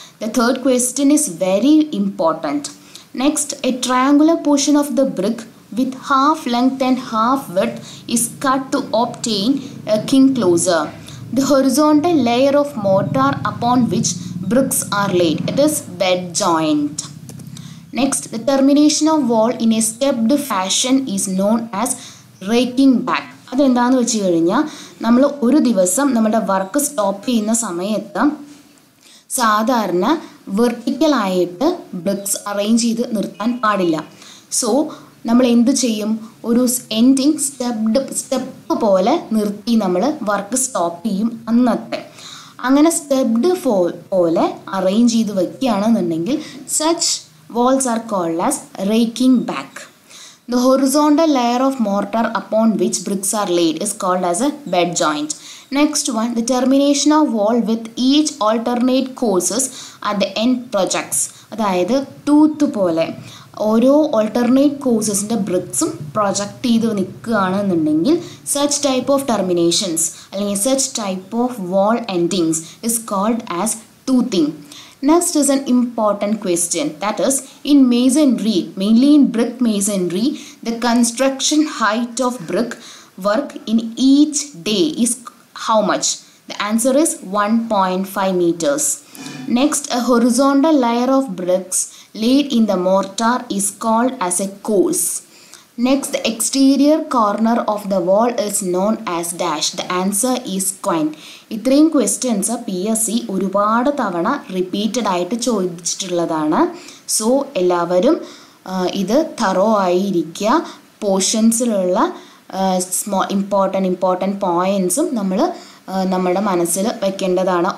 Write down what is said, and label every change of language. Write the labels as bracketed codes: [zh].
[en] The third question is very important. Next a triangular portion of the brick with half length and half width is cut to obtain a king closer. The horizontal layer of mortar upon which bricks are laid it is bed joint. Next, the termination of wall in a stepped fashion is known as raking back. [ml] അതെന്താണെന്ന് വെച്ച് കഴിഞ്ഞാൽ നമ്മൾ ഒരു ദിവസം നമ്മുടെ work stop ചെയ്യുന്ന സമയത്ത് സാധാരണ വെർട്ടിക്കലായിട്ട് ബ്രിക്സ് അറേഞ്ച് ചെയ്ത് നിർത്താൻ പാടില്ല. സോ നമ്മൾ എന്ത് ചെയ്യും, ഒരു എൻഡിങ് സ്റ്റെപ്പ് പോലെ നിർത്തി നമ്മൾ വർക്ക് സ്റ്റോപ്പ് ചെയ്യും അന്നത്തെ. അങ്ങനെ സ്റ്റെപ്ഡ് പോലെ അറേഞ്ച് ചെയ്ത് വയ്ക്കുകയാണെന്നുണ്ടെങ്കിൽ [en] Such walls are called as raking back. The horizontal layer of mortar upon which bricks are laid is called as a bed joint. Next one, the termination of wall with each alternate courses at the end projects. അതായത് tooth പോലെ ഓരോ alternate courses-ന്റെ bricks-ഉം project ചെയ്ത് നിൽക്കുകയാണെന്നുണ്ടെങ്കിൽ such type of terminations അല്ലെങ്കിൽ such type of wall endings is called as toothing. Next is an important question, that is, in masonry, mainly in brick masonry, the construction height of brick work in each day is how much? The answer is 1.5 meters. Next, a horizontal layer of bricks laid in the mortar is called as a course. Next, the exterior corner of the wall is known as dash. The answer is coin. [ml] ഇത്രയും questions P S C ഒരുപാട് തവണ repeated ആയിട്ട് ചോദിച്ചിട്ടുള്ളതാണ്. So എല്ലാവരും ഇത് thorough ആയിരിക്കുക. പോർഷൻസിലുള്ള small important പോയിൻറ്സും നമ്മൾ നമ്മുടെ മനസ്സിൽ വെക്കേണ്ടതാണ്.